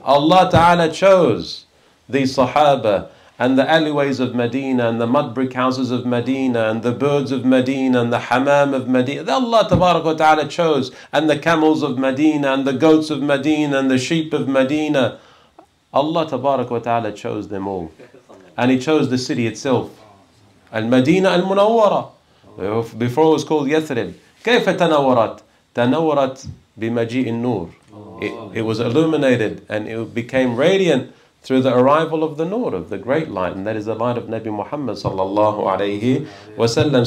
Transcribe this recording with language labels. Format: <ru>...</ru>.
<en>Allah Ta'ala chose the Sahaba and the alleyways of Medina and the mud brick houses of Medina and the birds of Medina and the hammam of Medina. Allah Tabarak wa Ta'ala chose, and the camels of Medina and the goats of Medina and the sheep of Medina. Allah Tabarak wa Ta'ala chose them all. And He chose the city itself. Al-Madina al-Munawwara. Before it was called Yathrib.</en> <ar>كيف تنورت؟ تنورت بمجيء النور.</ar> <en>It was illuminated and it became radiant through the arrival of the nur, of the great light, and that is the light of Nabi Muhammad sallallahu alayhi wa sallam.</en>